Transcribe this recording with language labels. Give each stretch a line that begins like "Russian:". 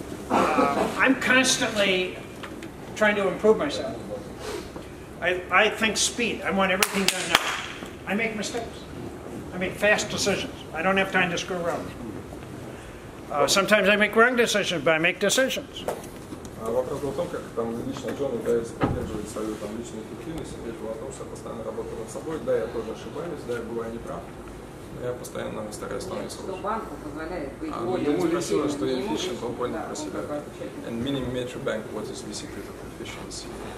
English: I'm constantly trying to improve myself. I think speed. I want everything done now. I make mistakes. I make fast decisions. I don't have time to screw around. Sometimes I make wrong decisions, but I make decisions.
Russian: Вопрос был в том, как там лично Джон удается поддерживать свою там личную эффективность. Речь была о том, что я постоянно работаю над собой. Да, я тоже ошибаюсь, да, я бываю неправ. Я постоянно стараюсь становиться лучше. Я спросила, что efficient, он понял про себя.
English: And meaning Metro Bank, what is the secret of efficiency?